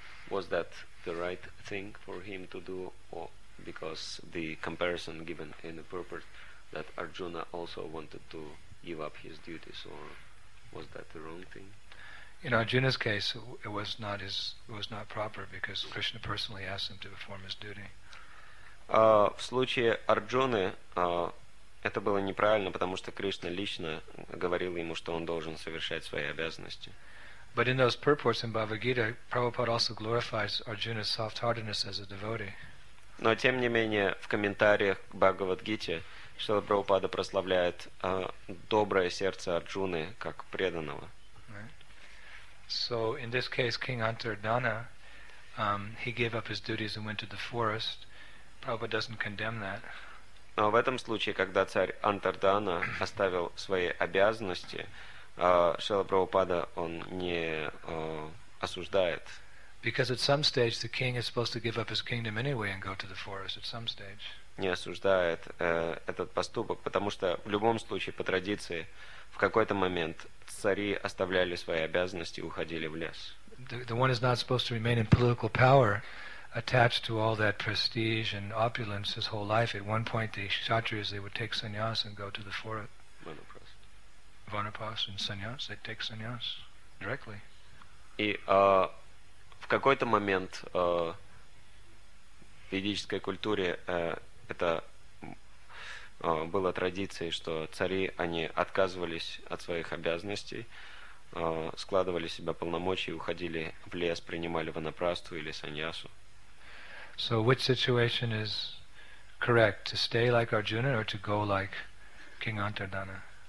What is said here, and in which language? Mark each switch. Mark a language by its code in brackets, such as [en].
[en] Was that the right thing for him to do, or because the comparison given in the purport that Arjuna also wanted to give up his duties, or was that the wrong thing? In Arjuna's case, it was not proper because Krishna personally asked him to perform his duty. [ru] В случае Арджуны это было неправильно, потому что Кришна лично говорил ему, что он должен совершать свои обязанности. [en] But in those purports in Bhagavad Gita, Prabhupada also glorifies Arjuna's soft-heartedness as a devotee. [ru] Но тем не менее в комментариях к Бхагавад-гите Шрила Прабхупада прославляет доброе сердце Арджуны как преданного. [en] Right. So in this case, King Antardhana, he gave up his duties and went to the forest. Prabhupada doesn't condemn that. [ru] Но в этом случае, когда царь Антардхана оставил свои обязанности, Шрила Прабхупада, он не осуждает. [en] Because at some stage the king is supposed to give up his kingdom anyway and go to the forest at some stage. [ru] Не осуждает этот поступок, потому что в любом случае по традиции в какой-то момент цари оставляли свои обязанности и уходили в лес. [en] The one is not supposed to remain in political power attached to all that prestige and opulence his whole life. At one point the kshatriyas, they would take sannyas and go to the forest. Vanaprastha and sannyas, they'd take sannyas directly. [ru] И в какой-то момент в ведической культуре это было традицией, что цари, они отказывались от своих обязанностей, складывали себя полномочия, уходили в лес, принимали ванапрасту или саньясу. [en] So which situation is correct, to stay like Arjuna or to go like King Antardhana?